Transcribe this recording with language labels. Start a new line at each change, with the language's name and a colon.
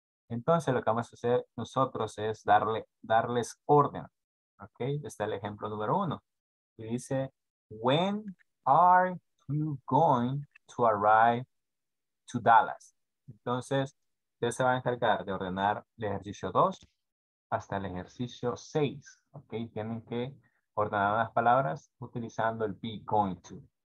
Spanish: Entonces, lo que vamos a hacer nosotros es darles orden. Ok, está el ejemplo número uno. Y dice,
English: when are you going to arrive to Dallas?
Spanish: Entonces, usted se va a encargar de ordenar el ejercicio 2 hasta el ejercicio 6. Ok, tienen que ordenar las palabras utilizando el be going to.